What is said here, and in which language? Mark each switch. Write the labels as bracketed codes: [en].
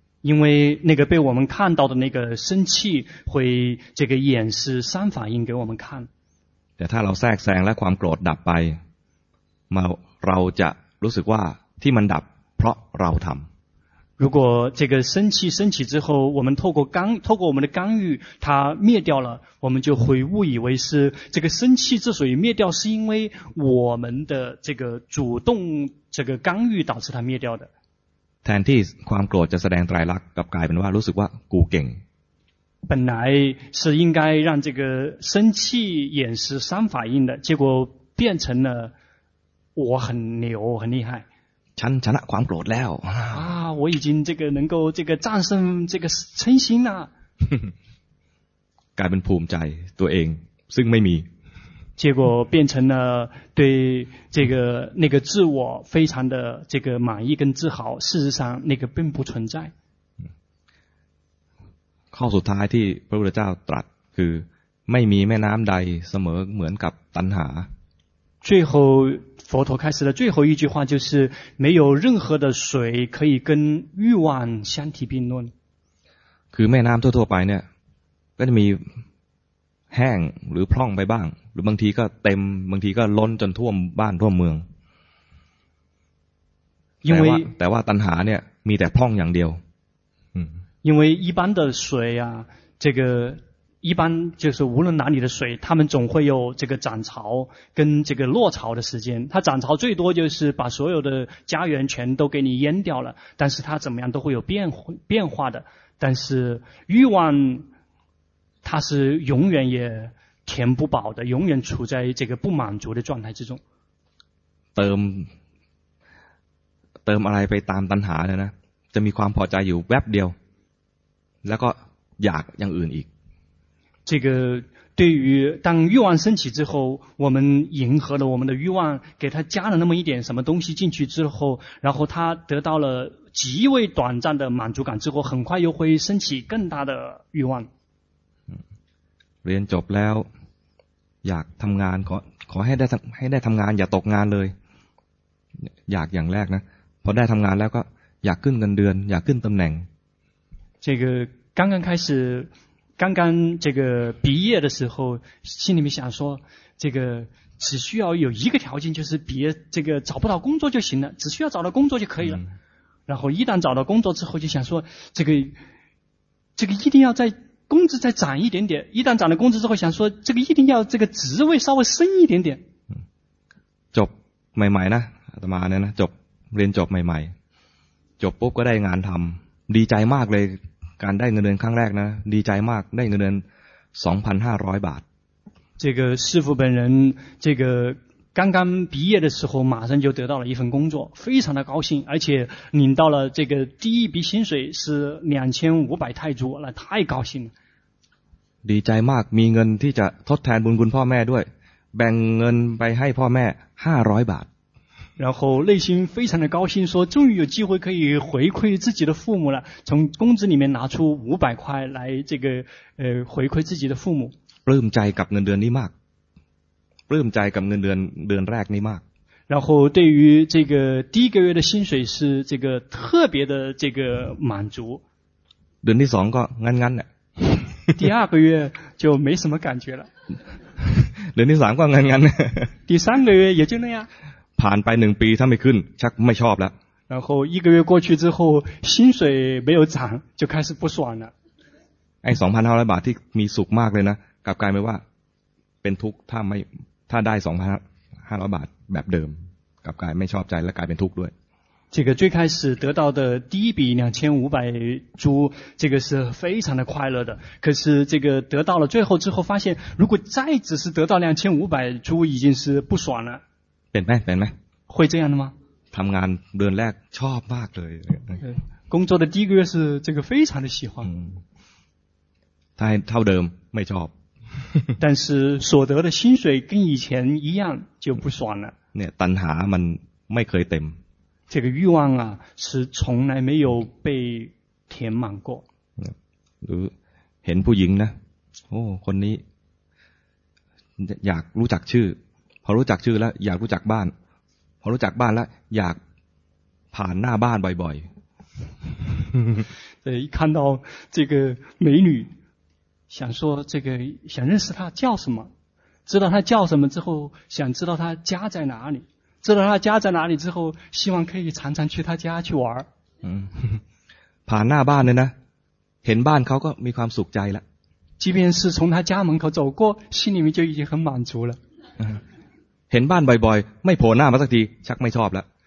[zh] 因为那个被我们看到的那个生气会这个演示三反应给我们看。 [th] แต่ถ้าเราแทรกแซงและความโกรธดับไปมาเราจะรู้สึกว่าที่มันดับเพราะเราทำ。 [zh] 如果这个生气升起之后，我们透过我们的干预，它灭掉了，我们就会误以为是这个生气之所以灭掉，是因为我们的这个主动这个干预导致它灭掉的。 [th] แทนที่ความโกรธจะแสดงไตรลักษณ์กับกลายเป็นว่ารู้สึกว่ากูเก่ง。 [zh] 本来是应该让这个生气演示三反应的，结果变成了我很牛很厉害。 [th] ฉันชนะความโกรธแล้ว [zh] 啊我已经这个能够这个战胜这个嗔心了 [th] กลายเป็นภูมิใจตัวเองซึ่งไม่มี [zh] 结果变成了对这个那个自我非常的这个满意跟自豪事实上那个并不存在 [th] ข้อสุดท้ายที่พระพุทธเจ้าตรัสคือไม่มีแม่น้ำใดเสมอเหมือนกับตัณหา [zh] 最后佛陀开始的最后一句话就是没有任何的水可以跟欲望相提并论 [th] คือแม่น้ำทั่วๆไปเนี่ยก็จะมีแห้งหรือพร่องไปบ้างหรือบางทีก็เต็มบางทีก็ล้นจนท่วมบ้านท่วมเมือง [zh] 因为 [th] แต่ว่าตัณหาเนี่ยมีแต่พร่องอย่างเดียว [zh] 因为一般的水啊这个一般就是无论哪里的水他们总会有这个涨潮跟这个落潮的时间它涨潮最多就是把所有的家园全都给你淹掉了但是它怎么样都会有变化的但是欲望它是永远也填不饱的永远处在这个不满足的状态之中 [th] เติมอะไรไปตามตัณหาเลยนะจะมีความพอใจอยู่แวบเดียวแล้วก็อยากอย่างอื่นอีก [zh] 这个对于当欲望升起之后我们迎合了我们的欲望给他加了那么一点什么东西进去之后然后他得到了极为短暂的满足感之后很快又会升起更大的欲望 [th] เรียนจบแล้วอยากทำงานขอให้ได้ทำงานอย่าตกงานเลยอยากอย่างแรกนะพอได้ทำงานแล้วก็อยากขึ้นเงินเดือนอยากขึ้นตำแหน่ง [zh] 这个刚刚开始刚刚这个毕业的时候心里面想说这个只需要有一个条件就是别这个找不到工作就行了只需要找到工作就可以了然后一旦找到工作之后就想说这个一定要在工资再涨一点点一旦涨了工资之后想说这个一定要这个职位稍微升一点点 [th] จบใหม่ๆนะอาตมาเนี่ยนะจบเรียนจบใหม่ๆจบปุ๊บก็ได้งานทำดีใจมากเลยการได้เงินเดือนครั้งแรกนะดีใจมากได้เงินเดือน 2,500 บาท [zh] 这个师父本人这个刚刚毕业的时候马上就得到了一份工作非常的高兴而且领到了这个第一笔薪水是2500泰铢那太高兴了 [th] ดีใจมากมีเงินที่จะทดแทนบุญคุณพ่อแม่ด้วยแบ่งเงินไปให้พ่อแม่500บาท [zh] 然后内心非常的高兴说终于有机会可以回馈自己的父母了从工资里面拿出500块来这个回馈自己的父母 [th] ปลื้มใจกับเงินเดือนนี้มากปลื้มใจกับเงินเดือนแรกนี้มาก [zh] 然后对于这个第一个月的薪水是这个特别的这个满足 [th] เดือนที่2ก็งั้นๆแหละ [zh] 第二个月就没什么感觉了 [th] เดือนที่3ก็งั้นๆแหละ [zh] 第三个月也就那样 [th] ผ่านไป1ปีถ้าไม่ขึ้นชักไม่ชอบแล้ ว [zh] 然后一个月过去之后薪水没有涨就开始不爽了 [th] ไอ้2500บาทที่มีสุขมากเลยนะกลับกลายเป็นว่าเป็นทุกข์ถ้าไม่ถ้าได้2500บาทแบบเดิมกลับกลายไม่ชอบใจและกลายเป็นทุกข์ด้วย [zh] 这个最开始得到的第一笔2500铢这个是非常的快乐的可是这个得到了最后之后发现如果再只是得到2500铢已经是不爽了 [th] เป็นไหม [zh] 会这样的吗 [th] ทำงานเดือนแรกชอบมากเลย [zh] 工作的第一个月是这个非常的喜欢 [th] ถ้าเท่าเดิมไม่ชอบ [zh] 但是所得的薪水跟以前一样就不爽了 [th] เนี่ยตัณหามันไม่เคยเต็ม [zh] 这个欲望啊是从来没有被填满过 [th] หรือเห็นผู้หญิงนะ โอ้คนนี้อยากรู้จักชื่อพอรู้จักชื่อแล้วอยากรู้จักบ้านพอรู้จักบ้านแล้วอยากผ่านหน้าบ้านบ่อย [zh] ๆ一看到这个美女想说这个想认识她叫什么知道她叫什么之后想知道她家在哪里知道她家在哪里之后希望可以常常去她家去玩 [th] ผ่านหน้าบ้านเลยนะเห็นบ้านเขาก็มีความสุขใจแล้ว [zh] 即便是从他家门口走过心里面就已经很满足了 [th] เห็นบ้านบ่อยๆไม่โผล่หน้ามาสักทีชักไม่ชอบแล้ว